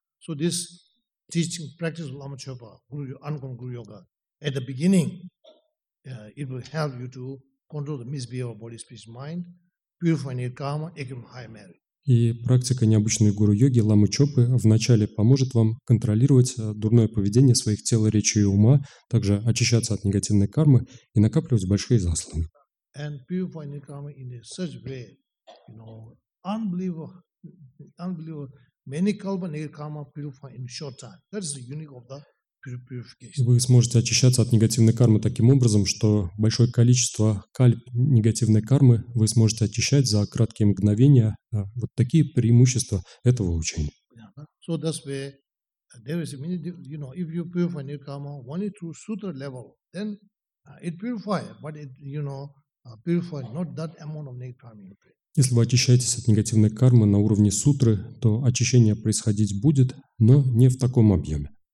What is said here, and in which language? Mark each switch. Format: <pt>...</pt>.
<en>So this teaching practice of Lama Chopa, Angkor Guru Yoga, at the beginning, it will help you to control the misbehavior of body, speech, mind, purify your karma, accumulate high merit.</en> <ru>И практика необычной гуру-йоги Ламы Чопы вначале поможет вам контролировать дурное поведение своих тела, речи и ума, также очищаться от негативной кармы и накапливать большие заслуги.</ru> <en>And purify your karma in such way, you know, unbelievable Many kalpa nirkama purify in short time. That is the unique of the purification.</en> <ru>Вы сможете очищаться от негативной кармы таким образом, что большое количество кальп негативной кармы вы сможете очищать за краткие мгновения. Вот такие преимущества этого учения.</ru> <en>So that's where there is a many, you know, if you purify nirkama only through sutra level, then it purifies, but it, you know, purifies not that amount of nirkama.</en> <ru>Если вы очищаетесь от негативной кармы на уровне сутры, то очищение происходить будет, но не в таком объеме.</ru>